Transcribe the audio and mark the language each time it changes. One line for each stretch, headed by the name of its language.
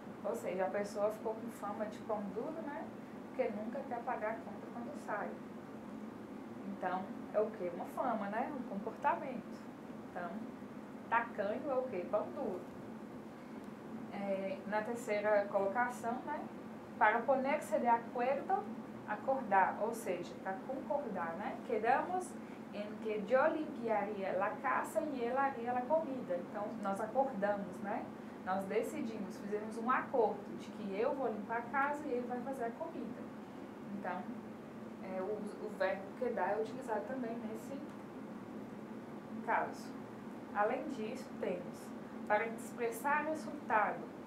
Portuguese: Ou seja, a pessoa ficou com fama de pão duro, né? Porque nunca quer pagar a conta quando sai. Então, é o quê? Uma fama, né? Um comportamento. Então, tacaño é o quê? Pão duro. Na terceira colocação, né?
Spanish: Para ponerse de acuerdo,
Portuguese: acordar, ou seja, para concordar, né?
Spanish: Quedamos em que yo limpiaría la casa y él haría la comida.
Portuguese: Então, nós acordamos, né? Nós decidimos, fizemos um acordo de que eu vou limpar a casa e ele vai fazer a comida. Então, o verbo quedar é utilizado também nesse caso. Além disso, temos para expressar resultado.